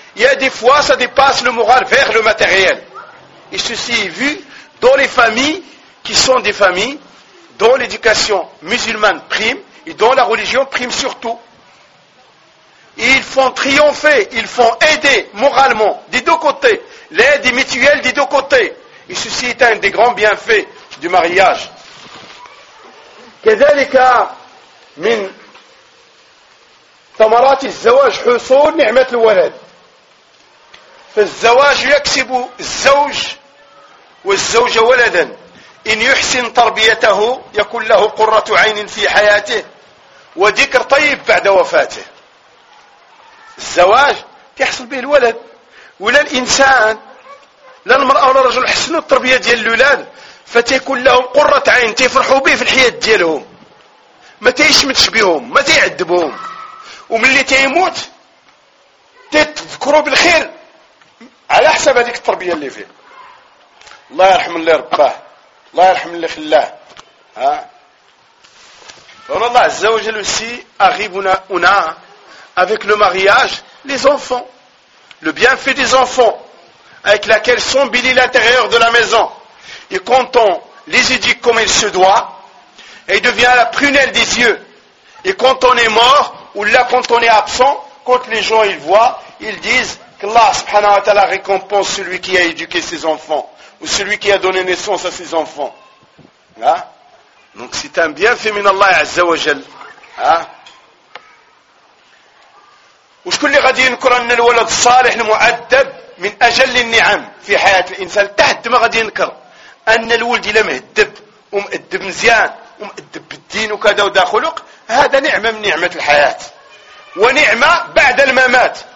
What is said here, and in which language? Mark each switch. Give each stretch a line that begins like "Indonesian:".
French: Il y a des fois, ça dépasse le moral vers le matériel. Et ceci est vu dans les familles qui sont des familles dont l'éducation musulmane prime et dont la religion prime surtout. Et ils font triompher, ils font aider moralement, des deux côtés. L'aide est mutuelle des deux côtés. Et ceci est un des grands bienfaits du mariage. Kedalika
Arabic: من ثمرات الزواج حصول نعمة الولد. فالزواج يكسب الزوج والزوجة ولدا، إن يحسن تربيته يكون له قرة عين في حياته وذكر طيب بعد وفاته. الزواج يحصل به الولد، ولا الإنسان لا المرأة ولا الرجل حسنوا التربية ديال الأولاد فتيكون لهم قرة عين، تيفرحوا به في الحياة ديالهم، ما تيشمتش بهم، ما تيعذبهم، وملي تيموت تذكروا بالخير على حسب هذيك التربية اللي فيه. الله يرحم اللي رباه، الله يرحم اللي خلاه. ها الله عز وجل
French: aussi arrive on a avec le mariage les enfants. Le bienfait des enfants avec laquelle s'embellit l'intérieur de la maison. Et quand on les éduque comme il se doit, elle devient la prunelle des yeux. Et quand on est mort, ou là quand on est absent, quand les gens ils voient, ils disent qu'Allah subhanahu wa ta'ala récompense celui qui a éduqué ses enfants, ou celui qui a donné naissance à ses enfants. Hein? Donc c'est un bienfait min Allah azza wa jal. Hein?
Arabic: وشكون اللي غادي ينكر ان الولد الصالح المؤدب من اجل النعم في حياه الانسان؟ تحت ما غادي ينكر ان الولد الا مهدب ومؤدب مزيان ومؤدب بالدين وكذا وداخلق، هذا نعمه من نعمه الحياه ونعمه بعد الممات.